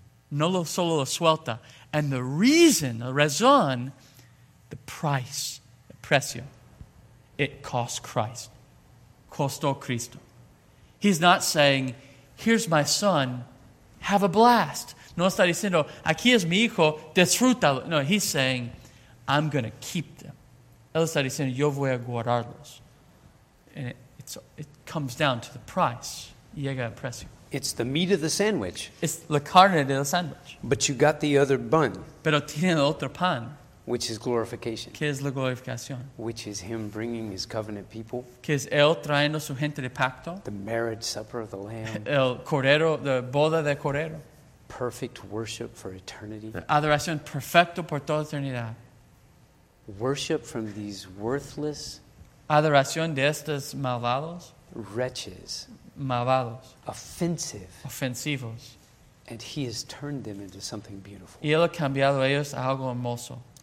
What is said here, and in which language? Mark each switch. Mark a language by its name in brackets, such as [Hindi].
[Spanish] No lo solo lo suelta. [English] And the reason, the razón, the price, the precio, it cost Christ. [Spanish] Costó Cristo. [English] He's not saying, here's my son, have a blast. [Spanish] No está diciendo, aquí es mi hijo, disfrútalo. [English] No, he's saying, I'm going to keep them. [Spanish] Él está diciendo, yo voy a guardarlos. [English] And it comes down to the price. [Spanish] Llega el precio. [English] It's the meat of the sandwich. [Spanish] It's la carne del sandwich. [English] But you got the other bun. [Spanish] Pero tiene el otro pan. [English] Which is glorification. [Spanish] Que es la glorificación. [English] Which is Him bringing His covenant people. [Spanish] Que es Él trayendo su gente de pacto. [English] The marriage supper of the Lamb. [Spanish] El cordero, the boda del cordero. [English] Perfect worship for eternity. [Spanish] Adoración perfecto por toda eternidad. [English] Worship from these worthless. [Spanish] Adoración de estos malvados. [English] Wretches. [Spanish] Malvados. [English] Offensive. [Spanish] Ofensivos. [English] And He has turned them into something beautiful. [Spanish] Y Él ha cambiado ellos a algo hermoso.